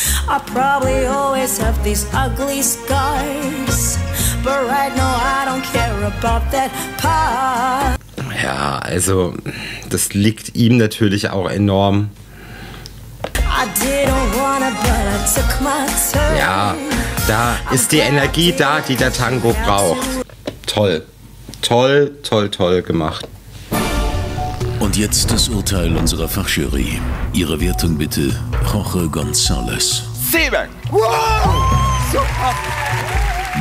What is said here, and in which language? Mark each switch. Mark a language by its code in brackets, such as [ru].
[en] I probably always have these ugly scars, but right now I don't care about that part. [de] Ja, also das liegt ihm natürlich auch enorm. [en] I didn't wanna, but I took my turn. [de] Ja, da ist die Energie da, die der Tango braucht. Toll. Toll, toll, toll gemacht. Und jetzt das Urteil unserer Fachjury. Ihre Wertung bitte, Jorge González. 7. Wow! Super!